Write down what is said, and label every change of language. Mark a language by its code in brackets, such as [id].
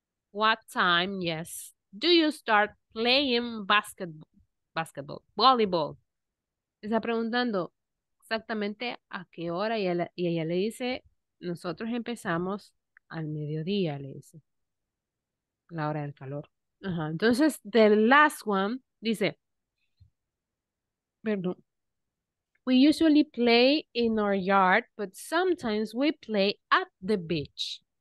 [en] What time, yes, do you start playing basketball? Volleyball. [es] está preguntando exactamente a qué hora y ella le dice, nosotros empezamos al mediodía, le dice, la hora del calor. Ajá. [en] Entonces, the last one [es] dice, perdón, [en] we usually play in our yard, but sometimes we play at the beach.